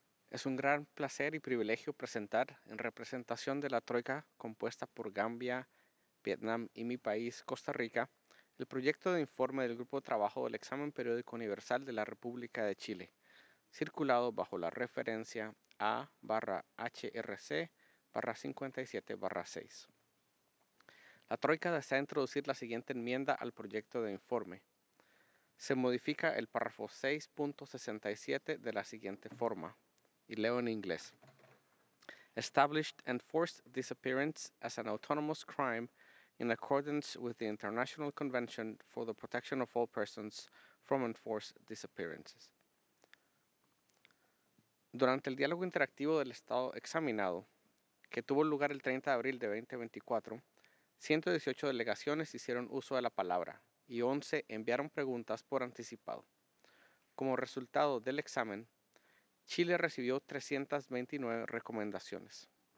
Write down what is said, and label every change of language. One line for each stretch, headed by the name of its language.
Spanish: Es un gran placer y privilegio presentar, en representación de la Troika compuesta por Gambia, Vietnam y mi país, Costa Rica, el proyecto de informe del Grupo de Trabajo del Examen Periódico Universal de la República de Chile, circulado bajo la referencia A/HRC/57/6. La Troika desea introducir la siguiente enmienda al proyecto de informe. Se modifica el párrafo 6.67 de la siguiente forma, y leo en inglés.
English: Established and forced disappearance as an autonomous crime in accordance with the International Convention for the Protection of All Persons from Enforced Disappearances.
Spanish: Durante el diálogo interactivo del Estado examinado, que tuvo lugar el 30 de abril de 2024, 118 delegaciones hicieron uso de la palabra y 11 enviaron preguntas por anticipado. Como resultado del examen, Chile recibió 329 recomendaciones.